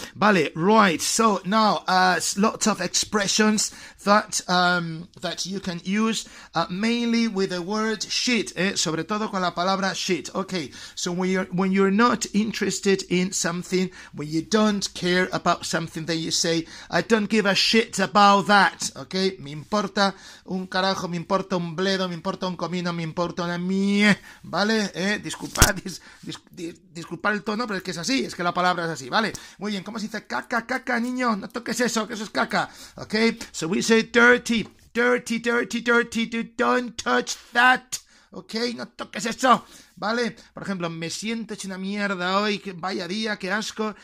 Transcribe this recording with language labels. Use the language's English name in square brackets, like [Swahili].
[English] Vale, right, so now, lots of expressions that that you can use, mainly with the word shit, [Spanish] sobre todo con la palabra shit, [English] okay? So when you're not interested in something, when you don't care about something, then you say, I don't give a shit about that, okay? [Spanish] Me importa un carajo, me importa un bledo, me importa un comino, me importa una mie, ¿vale? Disculpad el tono, pero es que es así, es que la palabra es así, ¿vale? Muy bien, ¿cómo se dice caca, caca, niño? No toques eso, que eso es caca, okay? [English] So we say dirty, dirty, dirty, dirty, don't touch that, okay? [Spanish] No toques eso, ¿vale? Por ejemplo, me siento hecho una mierda hoy, que vaya día, qué asco.